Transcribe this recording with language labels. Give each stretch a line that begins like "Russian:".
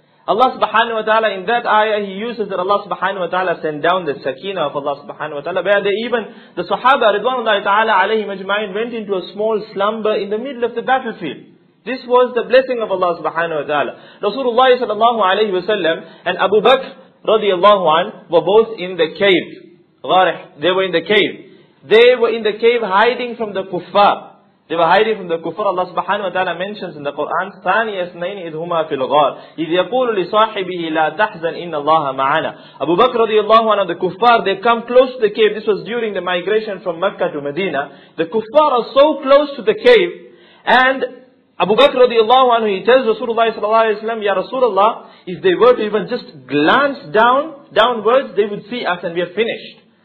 English: Allah subhanahu wa ta'ala, in that ayah, he uses that Allah subhanahu wa ta'ala sent down the sakina of Allah subhanahu wa ta'ala, where the sahaba ridwanullahi ta'ala alayhi majma'in went into a small slumber in the middle of the battlefield. This was the blessing of Allah subhanahu wa ta'ala. Rasulullah sallallahu alayhi wa sallam and Abu Bakr radiallahu anhu were both in the cave. Gharih, they were in the cave. They were in the cave hiding from the kuffar. They were hiding from the kufr. Allah subhanahu wa ta'ala mentions in the Quran,
Arabic: ثاني اثنين إذ هما في الغار إذ يقول لصاحبه لا تحزن إن الله معنا.
English: Abu Bakr radiallahu anhu, the kuffar, they come close to the cave. This was during the migration from Mecca to Medina. The kuffar are so close to the cave, and Abu Bakr radiallahu anhu, he tells Rasulullah sallallahu alayhi wa sallam, Ya Rasulullah, if they were to even just glance downwards, they would see us and we are finished.